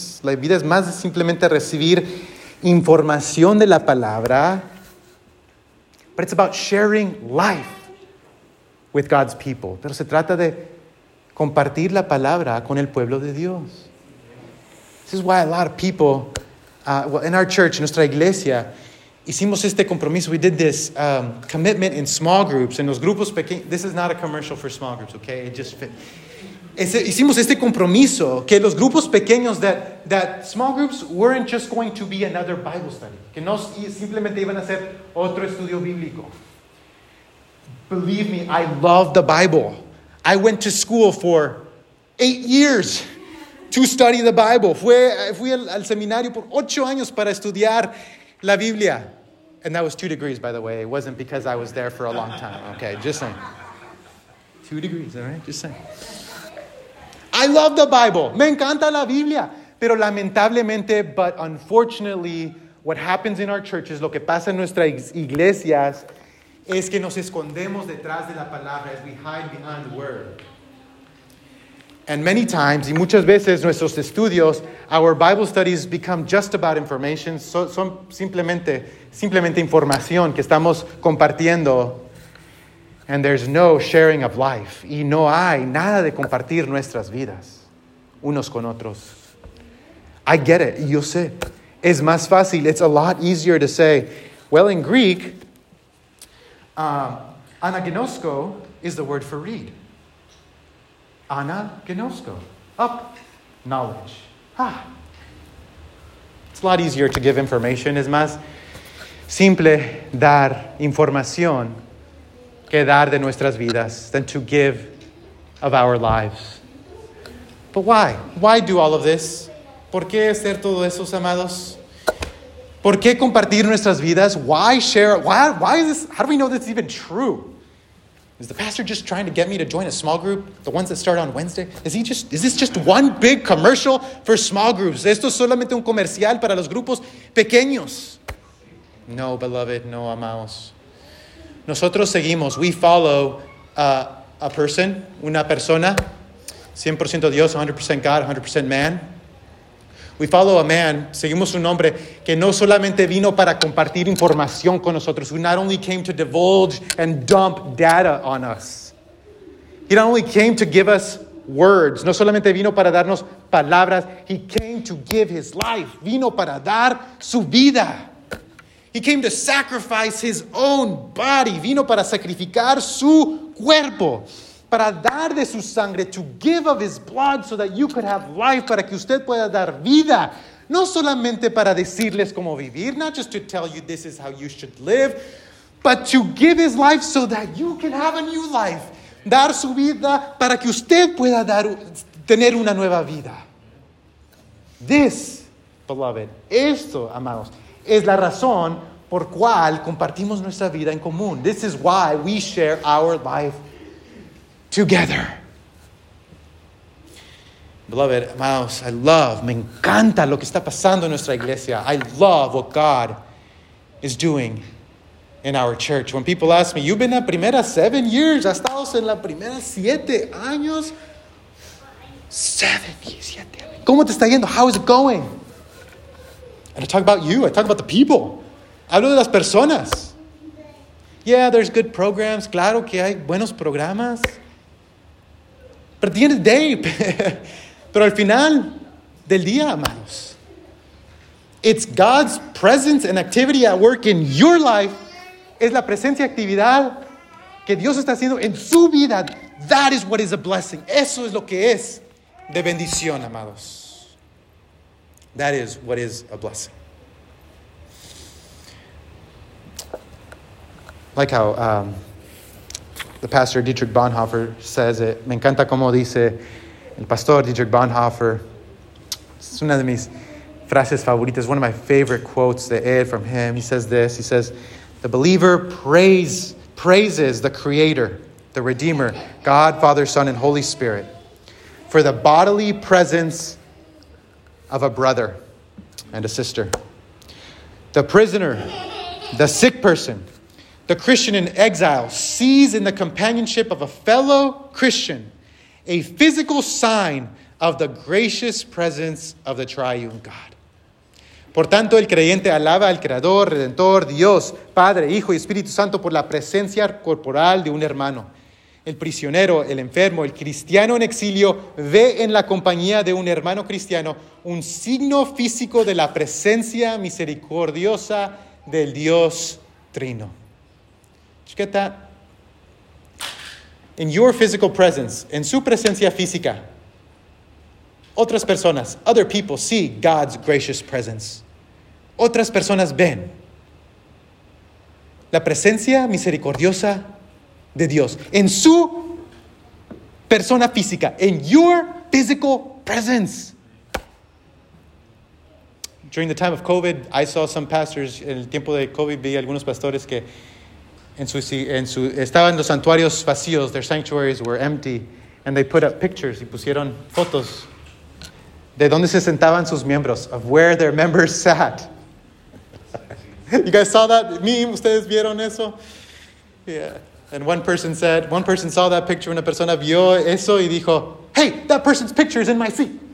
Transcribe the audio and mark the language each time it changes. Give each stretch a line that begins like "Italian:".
Spanish: La vida es más de simplemente recibir información de la palabra.
English: But it's about sharing life with God's people.
Spanish: Pero se trata de compartir la palabra con el pueblo de Dios.
English: This is why a lot of people... in our church,
Spanish: nuestra iglesia, hicimos este compromiso.
English: We did this commitment in small groups.
Spanish: En los grupos pequeños.
English: This is not a commercial for small groups, okay? It just fit.
Spanish: Hicimos este compromiso que los grupos pequeños,
English: that small groups weren't just going to be another Bible study.
Spanish: Que no simplemente iban a ser otro estudio bíblico.
English: Believe me, I love the Bible. I went to school for 8 years. To study the Bible.
Spanish: Fui al seminario por 8 años para estudiar la Biblia.
English: And that was 2 degrees, by the way. It wasn't because I was there for a long time. Okay, just saying. 2 degrees, all right? Just saying. I love the Bible.
Spanish: Me encanta la Biblia. Pero lamentablemente,
English: but unfortunately, what happens in our churches,
Spanish: lo que pasa en nuestras iglesias, es que nos escondemos detrás de la palabra,
English: as we hide behind the word. And many times,
Spanish: y muchas veces, nuestros estudios,
English: our Bible studies become just about information.
Spanish: Son simplemente información que estamos compartiendo.
English: And there's no sharing of life.
Spanish: Y no hay nada de compartir nuestras vidas unos con otros.
English: I get it.
Spanish: Yo sé. Es más fácil.
English: It's a lot easier to say, well, in Greek, anagnosko is the word for read. Anagnosko. Up. Knowledge. Ah. It's a lot easier to give information.
Spanish: Es más simple dar información que dar de nuestras vidas
English: than to give of our lives. But why? Why do all of this?
Spanish: ¿Por qué hacer todo eso, amados?
English: ¿Por qué compartir nuestras vidas? Why share? Why is this? How do we know this is even true? Is the pastor just trying to get me to join a small group? The ones that start on Wednesday? Is this just one big commercial for small groups?
Spanish: ¿Esto es solamente un comercial para los grupos pequeños?
English: No, beloved,
Spanish: no, amados. Nosotros seguimos.
English: We follow a person,
Spanish: una persona. 100% Dios,
English: 100% God, 100% man. We follow a man.
Spanish: Seguimos un hombre que no solamente vino para compartir información con nosotros.
English: Who not only came to divulge and dump data on us. He not only came to give us words.
Spanish: No solamente vino para darnos palabras.
English: He came to give his life.
Spanish: Vino para dar su vida.
English: He came to sacrifice his own body.
Spanish: Vino para sacrificar su cuerpo. Para dar de su sangre,
English: to give of his blood so that you could have life,
Spanish: para que usted pueda dar vida. No solamente para decirles cómo vivir,
English: not just to tell you this is how you should live, but to give his life so that you can have a new life.
Spanish: Dar su vida para que usted pueda tener una nueva vida.
English: This, beloved,
Spanish: esto, amados, es la razón por cual compartimos nuestra vida en común.
English: This is why we share our life together. Beloved,
Spanish: amados,
English: I love,
Spanish: me encanta lo que está pasando en nuestra iglesia.
English: I love what God is doing in our church. When people ask me, you've been a primera 7 years,
Spanish: has estado en la primera 7 años.
English: 7 years.
Spanish: ¿Cómo te está yendo?
English: How is it going? And I talk about you. I talk about the people.
Spanish: Hablo de las personas.
English: Yeah, there's good programs.
Spanish: Claro que hay buenos programas.
English: But at the end of the day,
Spanish: pero al final del día, amados,
English: it's God's presence and activity at work in your life.
Spanish: Es la presencia y actividad que Dios está haciendo en su vida.
English: That is what is a blessing.
Spanish: Eso es lo que es de bendición, amados.
English: That is what is a blessing. Like how the pastor Dietrich Bonhoeffer says it.
Spanish: Me encanta como dice el pastor Dietrich Bonhoeffer.
English: It's
Spanish: una de mis frases favoritas.
English: One of my favorite quotes that I from him. He says this. He says, the believer praises the Creator, the Redeemer, God, Father, Son, and Holy Spirit for the bodily presence of a brother and a sister. The prisoner, the sick person, the Christian in exile sees in the companionship of a fellow Christian a physical sign of the gracious presence of the triune God.
Spanish: Por tanto, el creyente alaba al Creador, Redentor, Dios, Padre, Hijo y Espíritu Santo por la presencia corporal de un hermano. El prisionero, el enfermo, el cristiano en exilio ve en la compañía de un hermano cristiano un signo físico de la presencia misericordiosa del Dios Trino.
English: Did you get that? In your physical presence,
Spanish: en su presencia física, otras personas,
English: other people see God's gracious presence.
Spanish: Otras personas ven la presencia misericordiosa de Dios. En su persona física.
English: In your physical presence. During the time of COVID, I saw some pastors,
Spanish: en el tiempo de COVID, vi algunos pastores que En su estaban los santuarios vacíos.
English: Their sanctuaries were empty, and they put up pictures.
Spanish: Y pusieron fotos de dónde se sentaban sus miembros.
English: Of where their members sat. You guys saw that meme?
Spanish: ¿Ustedes vieron eso?
English: Yeah. And one person saw that picture.
Spanish: Una persona vio eso y dijo,
English: "Hey, that person's picture is in my seat."